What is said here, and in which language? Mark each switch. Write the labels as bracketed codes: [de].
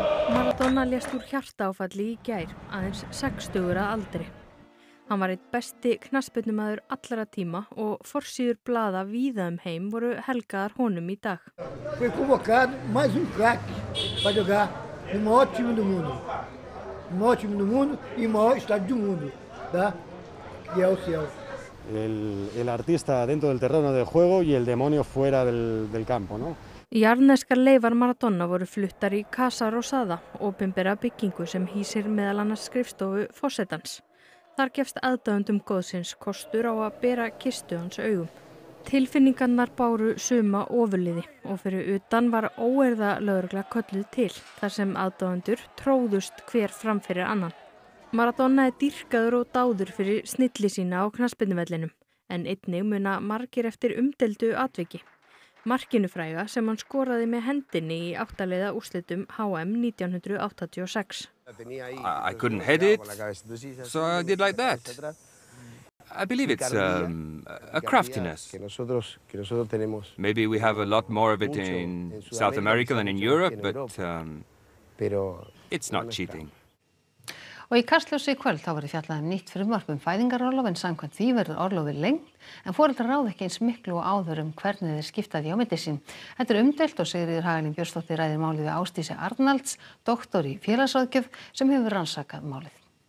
[is] Maradona lést úr hjartaáfalli í gær, aðeins 60 að aldri. Hann var einn besti knattspyrnumaður allra tíma og forsíður blaða víða heim voru helgaðar honum í dag. [pt] Foi convocado mais craque para jogar no maior time do mundo. No maior time do mundo e maior estádio do mundo, tá? Que é o céu. [es] El artista dentro del terreno de juego y el demonio fuera del campo, ¿no? [is] Jarðneskar leifar Maradona voru fluttar í Casa Rosada, opinbera byggingu sem hýsir meðal annars skrifstofu forsetans. Þar gefst aðdáendum góðsins kostur á að bera kistu hans augum. Tilfinningarnar báru suma ofurliði og fyrir utan var óeirða lögregla kölluð til þar sem aðdáendur tróðust hver fram fyrir annan. Maradona er dýrkaður og dáður fyrir snilli sína á knattspyrnuvellinum, en einnig muna margir eftir umdeildu atviki. Markinu fræga sem hann skoraði með hendinni í áttaliða úrslitum HM 1986. [en] I couldn't head it, so I did like that. I believe it's a craftiness. Maybe we have a lot more of it in South America than in Europe, but it's not cheating. [is] Og í Kastljósi í kvöld þá verði fjallað nýtt frumvarp fæðingarorlof en samkvæmt því verður orlofið lengt en foreldrar ráð ekki eins miklu og áður hvernig þeir skipta því á milli sín. Þetta umdeilt og Sigríður Hagalín Björnsdóttir ræðir málið við Ásdísi Arnalds, doktor í félagsráðgjöf sem hefur rannsakað málið.